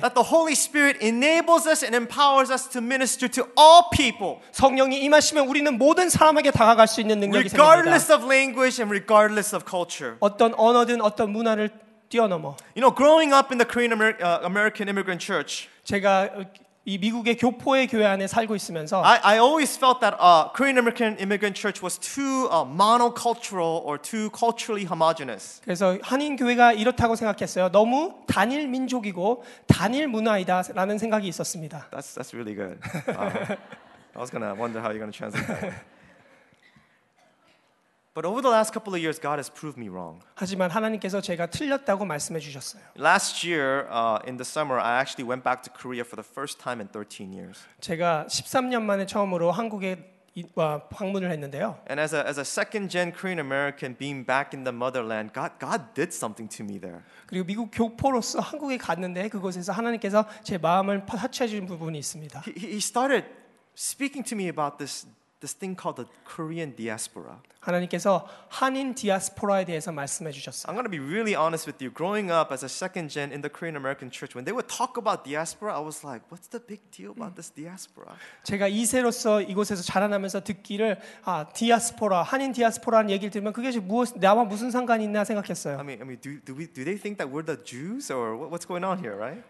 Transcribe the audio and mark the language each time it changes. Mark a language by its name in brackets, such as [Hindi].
[English] that the Holy Spirit enables us and empowers us to minister to all people. [Korean] 성령이 임하시면 우리는 모든 사람에게 다가갈 수 있는 능력이 생깁니다. [English] Regardless of language and regardless of culture, [Korean] 어떤 언어든 어떤 문화 [English] You know, growing up in the Korean American immigrant church, [Korean] 제가 이 미국의 교포의 교회 안에 살고 있으면서 [English] I always felt that Korean American immigrant church was too monocultural or too culturally homogenous. [Korean] 그래서 한인 교회가 이렇다고 생각했어요. 너무 단일 민족이고 단일 문화이다라는 생각이 있었습니다. [English] That's really good. I was gonna wonder how you're gonna translate that. But over the last couple of years, God has proved me wrong. [Korean] 하지만 하나님께서 제가 틀렸다고 말씀해 주셨어요. [English] Last year, in the summer, I actually went back to Korea for the first time in 13 years. [Korean] 제가 13년 만에 처음으로 한국에 방문을 했는데요. [English] And as a second-gen Korean American being back in the motherland, God did something to me there. [Korean] 그리고 미국 교포로서 한국에 갔는데 그곳에서 하나님께서 제 마음을 파헤쳐 주신 부분이 있습니다. [English] He started speaking to me about this thing called the Korean diaspora. [Korean] 하나님께서 한인 디아스포라에 대해서 말씀해 주셨어요. [English] I'm going to be really honest with you. Growing up as a second gen in the Korean American church, when they would talk about diaspora, I was like, what's the big deal about this diaspora? [Korean] 제가 2세로서 이곳에서 자라나면서 듣기를 아, 디아스포라, 한인 디아스포라는 얘기를 들으면 그게 무엇 나와 무슨 상관이 있나 생각했어요. [English] I mean, do they think that we're the Jews or what's going on here, right?